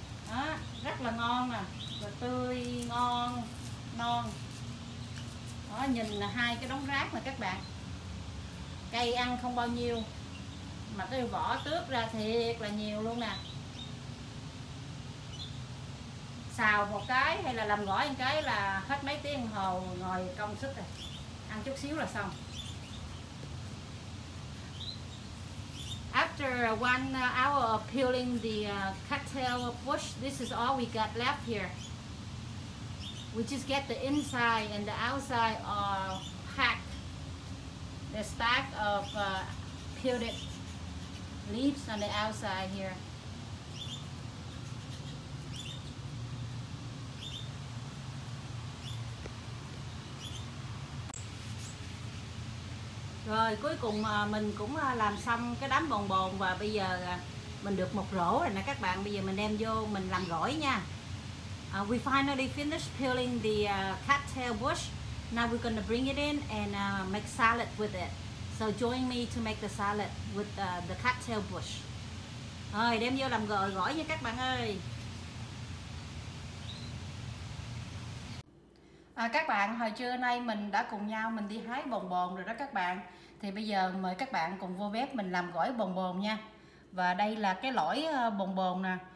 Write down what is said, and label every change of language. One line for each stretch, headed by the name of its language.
Vietnamese: Đó, rất là ngon nè, và tươi ngon non đó, nhìn là 2 cái đống rác mà các bạn, cây ăn không bao nhiêu mà cái vỏ tước ra thiệt là nhiều luôn nè. Xào một cái hay là làm gỏi một cái là hết mấy tiếng hồ ngồi công sức rồi, ăn chút xíu là xong.
English: After 1 hour of peeling the cattail bush, this is all we got left here. We just get the inside and the outside are packed, the stack of peeled leaves on the outside here.
Vietnamese: Rồi cuối cùng mình cũng làm xong cái đám bồn bồn và bây giờ mình được một rổ rồi nè các bạn. Bây giờ mình đem vô mình làm gỏi nha.
English: We finally finished peeling the cattail bush. Now we're gonna bring it in and make salad with it. So join me to make the salad with the cattail bush.
Vietnamese: Rồi đem vô làm gỏi nha các bạn ơi. À, các bạn, hồi trưa nay mình đã cùng nhau mình đi hái bồn bồn rồi đó các bạn. Thì bây giờ mời các bạn cùng vô bếp mình làm gỏi bồn bồn nha. Và đây là cái lõi bồn bồn nè.